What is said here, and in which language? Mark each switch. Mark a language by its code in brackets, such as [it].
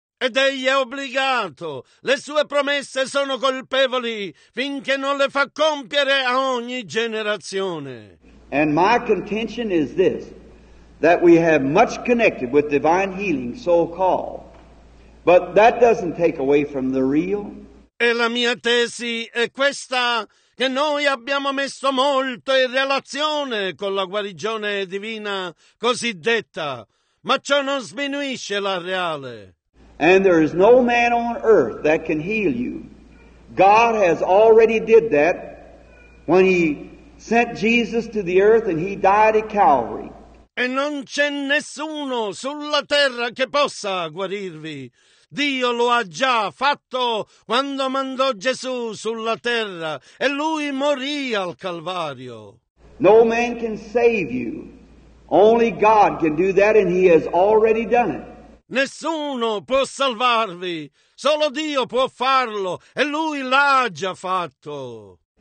[it] Ed egli è obbligato, le sue promesse sono colpevoli finché non le fa compiere a ogni generazione. [en] And my contention is this, that we have much connected with divine healing, so-called, but that doesn't take away from the real. [it] E la mia tesi è questa, che noi abbiamo messo molto in relazione con la guarigione divina cosiddetta, ma ciò non sminuisce la reale. [en] And there is no man on earth that can heal you. God has already did that when he sent Jesus to the earth and he died at Calvary. [it] E non c'è nessuno sulla terra che possa guarirvi. Dio lo ha già fatto quando mandò Gesù sulla terra e lui morì al Calvario. [en] No man can save you. Only God can do that and he has already done it. [it] Nessuno può salvarvi, solo Dio può farlo e lui l'ha già fatto.